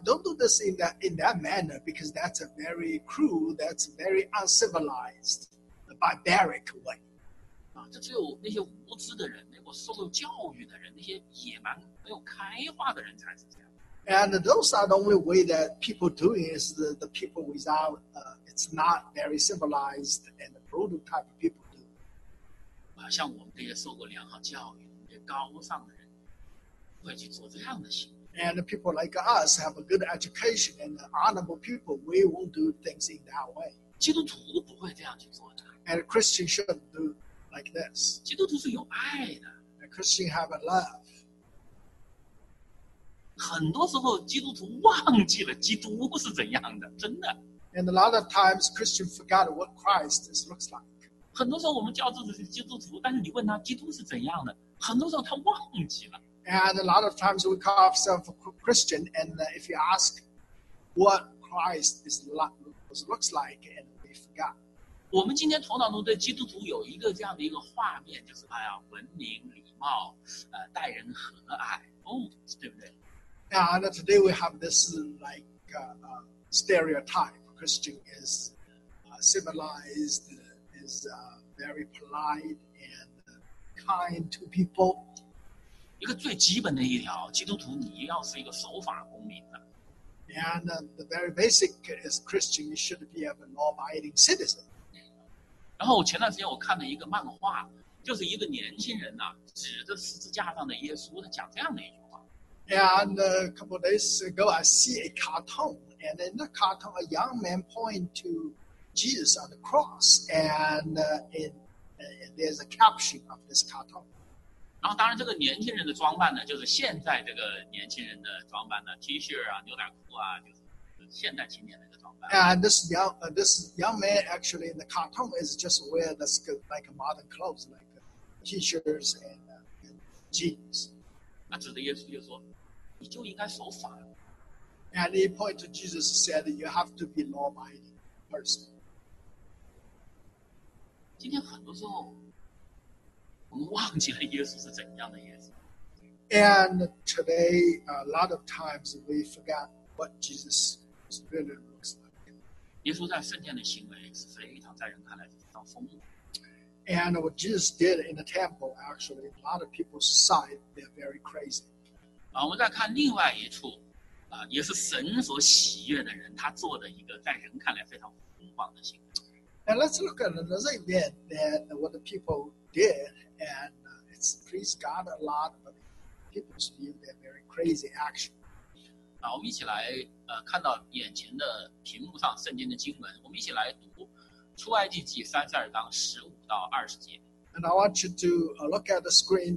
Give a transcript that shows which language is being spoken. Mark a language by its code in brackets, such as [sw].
[en] Don't do this in that manner because that's a very cruel, that's very uncivilized, barbaric way. [zh] 这只有那些无知的人，没有受过教育的人，那些野蛮没有开化的人才是这样。 [en] And those are the only way that people do it is the people without, it's not very civilized and prototype people do. [zh] 像我们这些受过良好教育、这些高尚的人，不会去做这样的行为。 [en] And people like us have a good education and honorable people, we won't do things in that way. [zh] 基督徒不会这样去做的。 [en] And Christians shouldn't do. Like this. [zh] 基督徒是有爱的。 [en] A Christian have a love. [zh] 很多时候基督徒忘记了基督是怎样的，真的。 [en] And a lot of times Christians forgot what Christ looks like. [zh] 很多时候我们叫自己是基督徒，但是你问他基督是怎样的，很多时候他忘记了。 [en] And a lot of times we call ourselves a Christian, and if you ask what Christ looks like, and we forgot. [zh] 我们今天头脑中对基督徒有一个这样的一个画面，就是哎呀，文明、礼貌，待人和蔼，哦，对不对 [en] ？Yeah, and today we have this like stereotype. Christian is civilized, is very polite and kind to people. [zh] 一个最基本的一条，基督徒你要是一个守法公民的。 [en] And the very basic is Christian, you should be a law-abiding citizen. [zh] 然后前段时间我看了一个漫画，就是一个年轻人呐、啊，指着十字架上的耶稣，他讲这样的一句话。 [en] And a couple of days ago, I see a cartoon, and in the cartoon, a young man point to Jesus on the cross, and there's a caption of this cartoon. [zh] 然后当然，这个年轻人的装扮呢，就是现在这个年轻人的装扮呢 ，T 恤啊，牛仔裤啊，就是现代青年的。 [en] And this young man actually in the cartoon is just wear this like modern clothes, like t-shirts and jeans. [zh] 那指着耶稣就说：“你就应该守法。” [en] At any point, Jesus said, you have to be law-abiding person. [zh] 今天很多时候，我们忘记了耶稣是怎样的耶稣。 [en] And today, a lot of times we forget what Jesus really looks like. [zh] 耶稣在圣殿的行为是非常在人看来是像疯子。 [en] And what Jesus did in the temple, actually, a lot of people saw it, they're very crazy. [zh] 我们再看另外一处，也是神所喜悦的人，他做的一个在人看来非常疯狂的行为。 [en] And let's look at another event that what the people did, and it's pleased God a lot, but people's view that very crazy action. [zh] 那我们一起来看到眼前的屏幕上圣经的经文，我们一起来读出埃及记32:15-20. [en] And I want you to look at the screen.